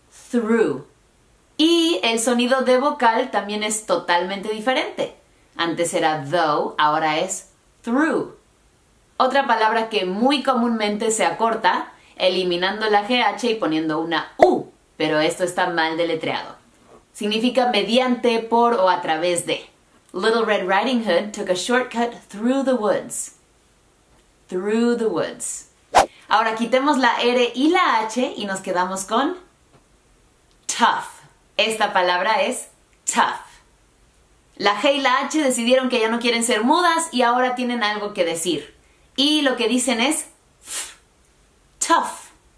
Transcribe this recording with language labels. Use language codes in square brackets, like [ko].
[es] Through. Y el sonido de vocal también es totalmente diferente. Antes era though, ahora es through. Otra palabra que muy comúnmente se acorta, eliminando la GH y poniendo una U, pero esto está mal deletreado. Significa mediante, por o a través de. [en] Little Red Riding Hood took a shortcut through the woods. Through the woods. [es] Ahora quitemos la R y la H y nos quedamos con tough. Esta palabra es tough. La G y la H decidieron que ya no quieren ser mudas y ahora tienen algo que decir. Y lo que dicen es tough.